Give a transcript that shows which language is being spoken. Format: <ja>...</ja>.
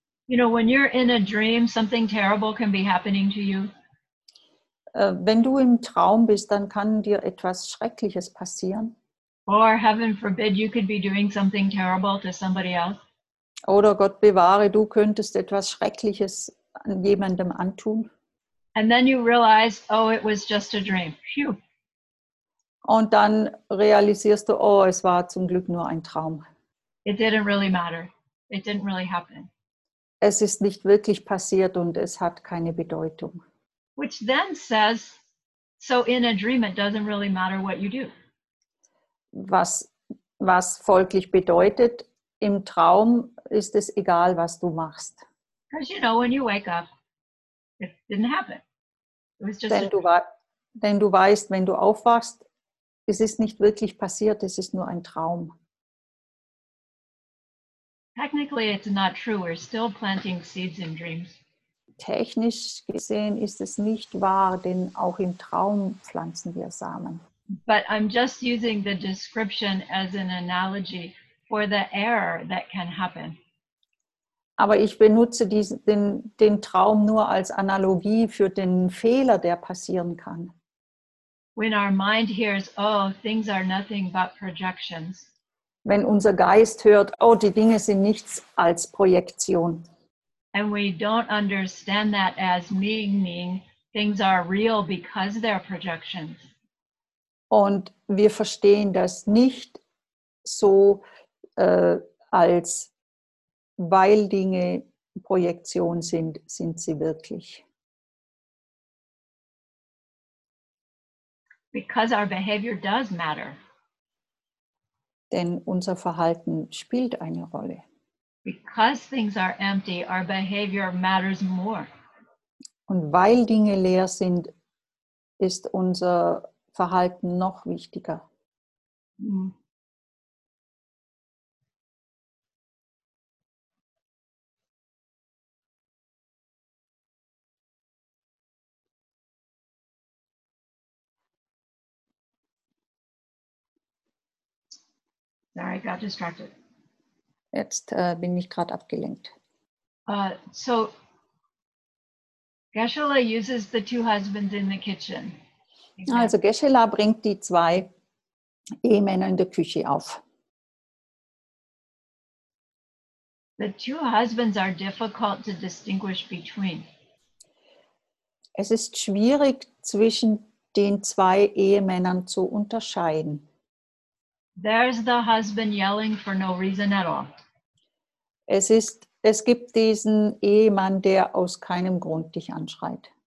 <en>You know, when you're in a dream, something terrible can be happening to you.</en> <de>Wenn du im Traum bist, dann kann dir etwas Schreckliches passieren.</de> <en>Or heaven forbid, you could be doing something terrible to somebody else.</en> <de>Oder Gott bewahre, du könntest etwas Schreckliches an jemandem antun.</de> <en>And then you realize, oh, it was just a dream. Phew.</en> <de>Und dann realisierst du, oh, es war zum Glück nur ein Traum.</de> <en>It didn't really matter. It didn't really happen.</en> <de>Es ist nicht wirklich passiert und es hat keine Bedeutung.</de> <en>Which then says, so in a dream it doesn't really matter what you do.</en> <de>Was folglich bedeutet, im Traum ist es egal, was du machst.</de> <en>Because you know, when you wake up, it didn't happen. It was just</en> <de>denn du weißt, wenn du aufwachst, es ist nicht wirklich passiert, es ist nur ein Traum.</de> <en>Technically, it's not true. We're still planting seeds in dreams.</en> <de>Technisch gesehen ist es nicht wahr, denn auch im Traum pflanzen wir Samen.</de> <en>But I'm just using the description as an analogy for the error that can happen.</en> <de>Aber ich benutze den Traum nur als Analogie für den Fehler, der passieren kann.</de> <en>When our mind hears, oh, things are nothing but projections.</en> <de>Wenn unser Geist hört, oh, die Dinge sind nichts als Projektion.</de> <en>And we don't understand that as meaning things are real because they're projections.</en> <de>Und wir verstehen das nicht so als, weil Dinge Projektion sind, sind sie wirklich.</de> <en>Because our behavior does matter.</en> <de>Denn unser Verhalten spielt eine Rolle.</de> <en>Because things are empty, our behavior matters more.</en> <de>Und weil Dinge leer sind, ist unser Verhalten noch wichtiger.</de> <en>Sorry, I got distracted.</en> <de>Jetzt bin ich gerade abgelenkt.</de> <en>So Geshe-la uses the two husbands in the kitchen.</en> <de>Also Geshe-la bringt die zwei Ehemänner in der Küche auf.</de> <en>The two husbands are difficult to distinguish between.</en> <de>Es ist schwierig, zwischen den zwei Ehemännern zu unterscheiden.</de> <en>There's the husband yelling for no reason at all.</en> <de>Es gibt diesen Ehemann, der aus keinem Grund dich anschreit.</de>